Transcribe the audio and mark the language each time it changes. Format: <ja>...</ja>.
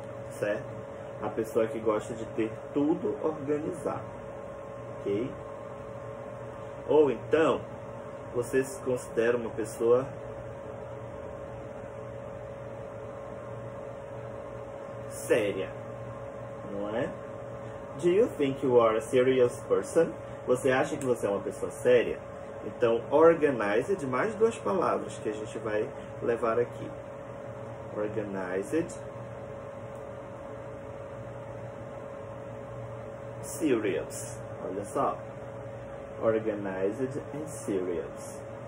<pt>Certo? A pessoa que gosta de ter tudo organizado. Ok? Ou então, você se considera uma pessoa séria, não é?</pt> <en>Do you think you are a serious person?</en> <pt>Você acha que você é uma pessoa séria? Então, organized, mais duas palavras que a gente vai levar aqui.</pt> <en>Organized. Serious.</en> <pt>Olha só.</pt> <en>Organized and serious.</en>